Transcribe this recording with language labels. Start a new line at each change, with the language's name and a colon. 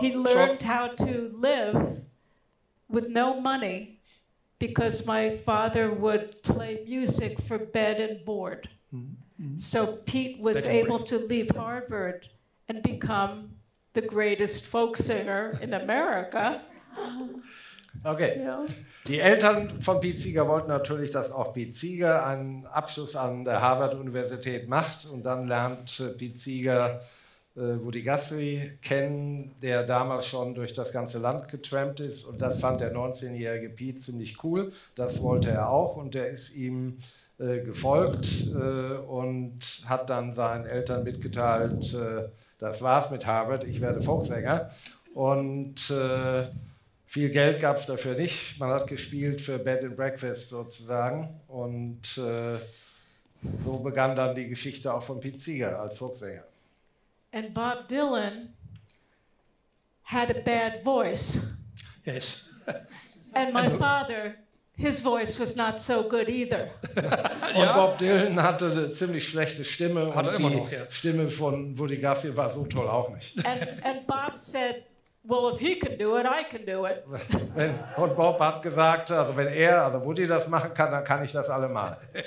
English: He learned how to live with no money because my father would play music for bed and board. Mm-hmm. So Pete was able to leave Harvard and become the greatest folk singer in America. Okay. Ja.
German: Die Eltern von Pete Seeger wollten natürlich, dass auch Pete Seeger einen Abschluss an der Harvard-Universität macht. Und dann lernt Pete Seeger Woody Guthrie kennen, der damals schon durch das ganze Land getrampt ist. Und das fand der 19-jährige Pete ziemlich cool. Das wollte er auch. Und der ist ihm gefolgt und hat dann seinen Eltern mitgeteilt, das war's mit Harvard, ich werde Folksänger. Und viel Geld gab es dafür nicht. Man hat gespielt für Bed and Breakfast sozusagen. Und so begann dann die Geschichte auch von Pete Seeger als Folksänger.
English: And Bob Dylan had a bad voice. Yes. And my father, his voice was not so good either.
German: Und Bob Dylan hatte eine ziemlich schlechte Stimme. Und die Stimme von Woody Guthrie war so toll auch nicht.
English: And Bob said, well, if he can do it, I can do it.
German: Und Bob hat gesagt, also wenn also Woody das machen kann, dann kann ich das allemal.